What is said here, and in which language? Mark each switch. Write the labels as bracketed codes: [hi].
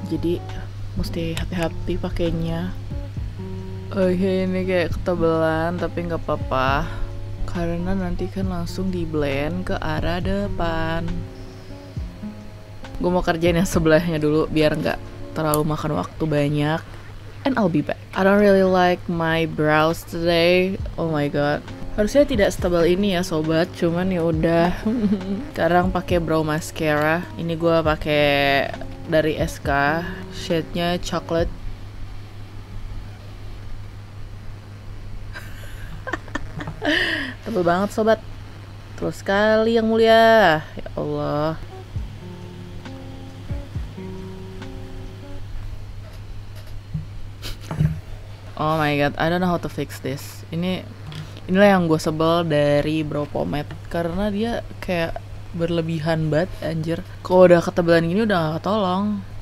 [id] Jadi mesti hati-hati pakainya. Oke, ini kayak ketebelan, tapi nggak apa-apa. karena nanti kan langsung di blend ke arah depan. Gue mau kerjain yang sebelahnya dulu biar gak terlalu makan waktu banyak. [en] And I'll be back. I don't really like my brows today. Oh my god. [id] Harusnya tidak stabil ini ya sobat, cuman ya udah. Sekarang pakai brow mascara. Ini gue pakai dari SK. Shade-nya chocolate. Tebel banget sobat. Terus sekali yang mulia. Ya Allah. [en] Oh my god, I don't know how to fix this. [id] Inilah yang gue sebel dari brow pomade. Karena dia kayak berlebihan banget, anjir. Kalo udah ketebalan gini udah gak ketolong.